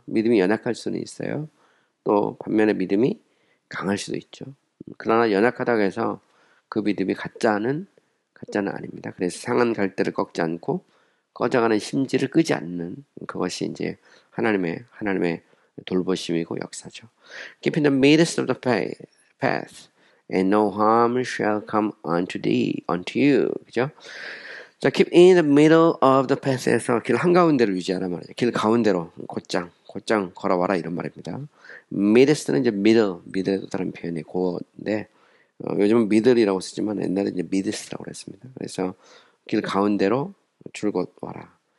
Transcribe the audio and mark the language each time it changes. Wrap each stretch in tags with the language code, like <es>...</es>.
<ko>믿음이 연약할 수는 있어요. 또 반면에 믿음이 강할 수도 있죠. 그러나 연약하다고 해서 그 믿음이 가짜는 아닙니다. 그래서 상한 갈대를 꺾지 않고 꺼져가는 심지를 끄지 않는 그것이 이제 하나님의 돌보심이고 역사죠.</ko> <en>Keep in the midst of the path, and no harm shall come unto you.</en> <ko>그죠? 자,</ko> <en>keep in the middle of the path</en> <ko>에서 길 한가운데로 유지하란 말이에요. 길 가운데로 곧장 걸어와라 이런 말입니다. Midst는 이제 middle도 다른 표현이 고어인데 요즘은 middle이라고 쓰지만 옛날에는 이제 midst라고 했습니다. 그래서 길 가운데로 줄곧 와라.</ko>